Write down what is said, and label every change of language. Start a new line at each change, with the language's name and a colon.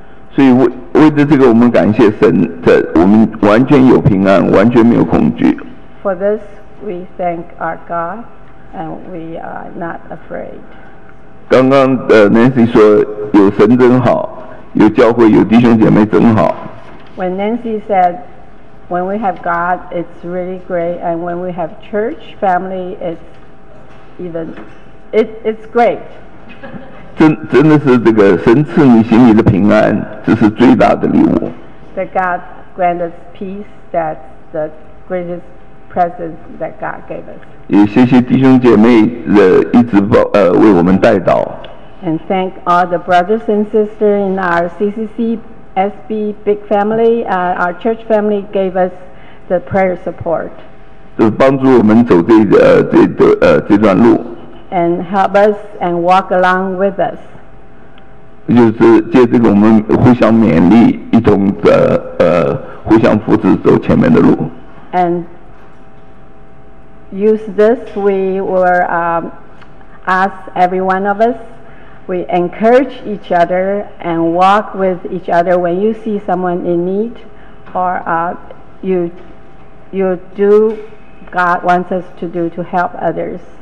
Chinese: 所以为着这个，我们感谢神，在我们完全有平安，完全没有恐惧。
English: For this, we thank our God, and we are not afraid.
Chinese: 刚刚Nancy 说有神真好，有教会，有弟兄姐妹真好。
English: When Nancy said, "When we have God, it's really great, and when we have church family, it's great."
Chinese: 真的是这个神赐你心里的平安，这是最大的礼物。
English: That God granted peace, that's the greatest presence that God gave us.
Chinese: 也谢谢弟兄姐妹的一直为我们带祷。
English: And thank all the brothers and sisters in our CCC. SB big family, our church family gave us the prayer support.
Chinese: 就帮助我们走这段路。
English: And help us and walk along with us.
Chinese: 就是借这个我们互相勉励，一种互相扶持走前面的路。
English: And use this, we were ask every one of us. We encourage each other and walk with each other when you see someone in need or you do God wants us to do to help others.